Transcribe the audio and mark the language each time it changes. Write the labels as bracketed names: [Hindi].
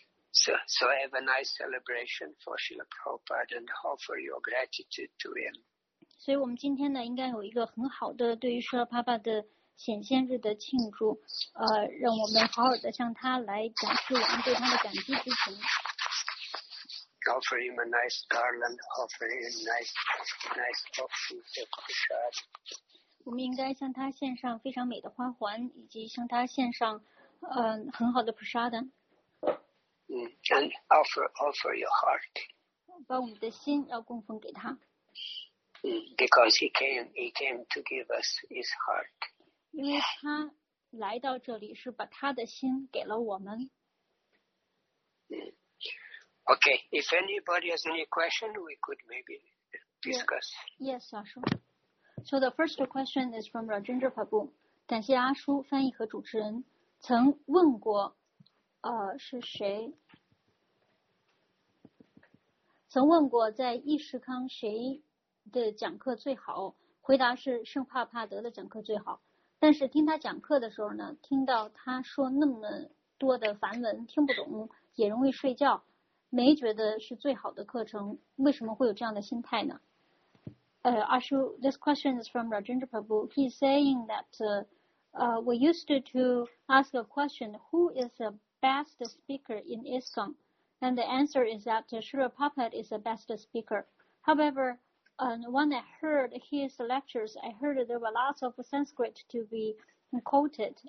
[English] So have a nice celebration for Srila Prabhupada and offer your gratitude to him. [Chinese] 所以我们今天呢，应该有一个很好的对于 Srila Prabhupada 的。显现日的庆祝，让我们好好的向他来展示我们对他的感激之情。 [English] Offer him a nice garland, offer him nice offerings. [Chinese] 我们应该向他献上非常美的花环，以及向他献上，很好的 prasad。 [English] And offer your heart. [Chinese] 把我们的心要供奉给他。 [English] Because he came to give us his heart. [Chinese] 因为他来到这里是把他的心给了我们。 [English] Okay, if anybody has any question, we could maybe discuss. Yes, 阿叔。 So the first question is from Rajendra Prabhu. [Chinese] 感谢阿叔、翻译和主持人曾问过，是谁？曾问过在意识康谁的讲课最好？回答是圣帕帕德的讲课最好。但是听他讲课的时候呢，听到他说那么多的梵文听不懂，也容易睡觉，没觉得是最好的课程，为什么会有这样的心态呢？ [English] Ashu, this question is from Rajendra Prabhu. He's saying that we used to ask a question, who is the best speaker in ISKCON? And the answer is that Srila Prabhupada is the best speaker. However,when I heard his lectures, I heard there were lots of Sanskrit to be quoted.